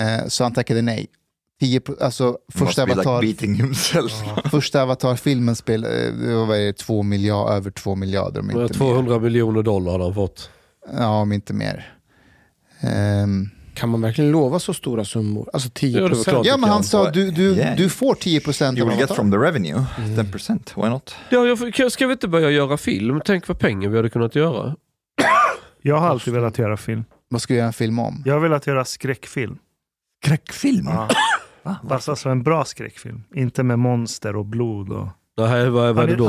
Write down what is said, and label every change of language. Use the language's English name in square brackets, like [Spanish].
[Swedish] Så han tackade nej. Alltså, första Avatar, [English] like beating himself. [Swedish] Första Avatar-filmen spelade, det var 2 miljarder, över 2 miljarder. Om inte 200 miljoner dollar har han fått. Ja, om inte mer. Kan man verkligen lova så stora summor? Alltså 10%? Ja, men han sa, du får 10% av Avatar. [English] You will get from the revenue, 10%. Why not? [Swedish] Ja, ska vi inte börja göra film? Tänk vad pengar vi hade kunnat göra. Jag har alltid velat göra film. Vad ska vi göra en film om? Jag har velat göra skräckfilm. Skräckfilm? Ja. Fast alltså en bra skräckfilm. Inte med monster och blod. Och... Det här var, har ni, då?